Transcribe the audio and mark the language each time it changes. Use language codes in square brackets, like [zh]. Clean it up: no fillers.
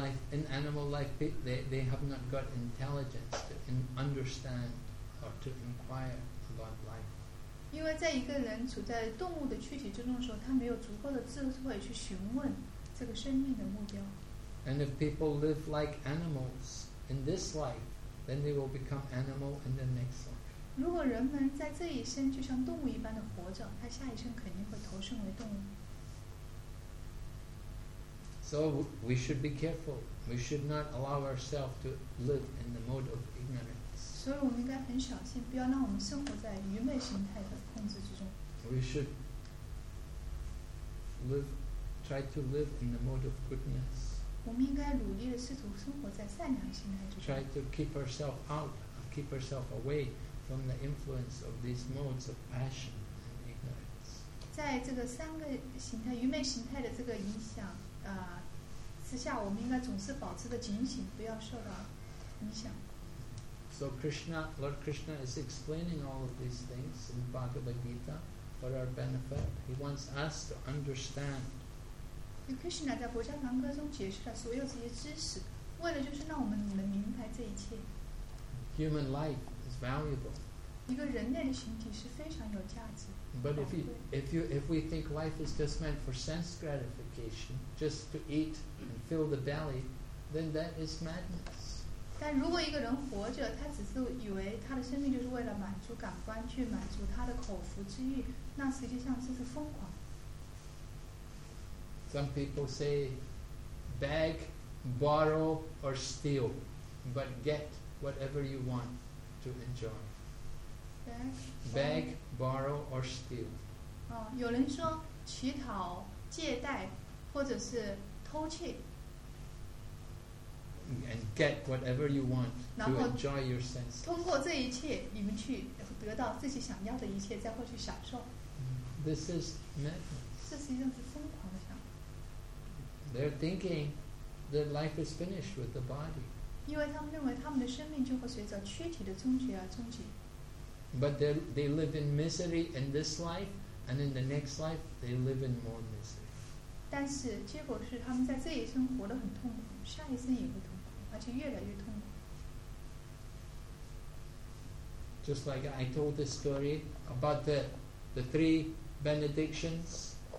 [en] In animal life, they have not got intelligence to understand or to inquire about life. [zh] 因为在一个人处在动物的躯体之中的时候，他没有足够的智慧去询问这个生命的目标。 [en] And if people live like animals in this life, then they will become animal in the next life. [zh] 如果人们在这一生就像动物一般的活着，他下一生肯定会投生为动物。 [en] So we should be careful. We should not allow ourselves to live in the mode of ignorance. [zh] 所以我们应该很小心，不要让我们生活在愚昧形态的控制之中。 [en] We should try to live in the mode of goodness. [zh] 我们应该努力的试图生活在善良形态之中。 [en] Try to keep ourselves out, keep ourselves away from the influence of these modes of passion and ignorance. [zh] 在这个三个形态愚昧形态的这个影响之下，我们应该总是保持的警醒，不要受到影响。 [en] So Lord Krishna is explaining all of these things in Bhagavad Gita for our benefit. He wants us to understand. [zh] Krishna 在《佛家梵歌》中解释了所有这些知识，为了就是让我们能明白这一切。 [en] Human life is valuable. [zh] 一个人类的形体是非常有价值。 [en] But if we think life is just meant for sense gratification, just to eat and fill the belly, then that is madness. [zh] 但如果一个人活着，他只是以为他的生命就是为了满足感官，去满足他的口腹之欲，那实际上这是疯狂。 [en] Some people say, beg, borrow, or steal, but get whatever you want to enjoy. Beg, borrow, or steal. [zh] 有人说乞讨、借贷，或者是偷窃。 [en] And get whatever you want to enjoy your sense. [zh] 通过这一切，你们去得到自己想要的一切，再过去享受。 [en] This is madness. [zh] 这实际上是疯狂的想。 [en] They're thinking that life is finished with the body. [zh] 因为他们认为他们的生命就会随着躯体的终结而终结。 [en] But they live in misery in this life, and in the next life they live in more misery. [zh] 但是结果是他们在这一生活得很痛苦下一生也会痛苦而且越来越痛苦 [en] Just like I told this story about the three benedictions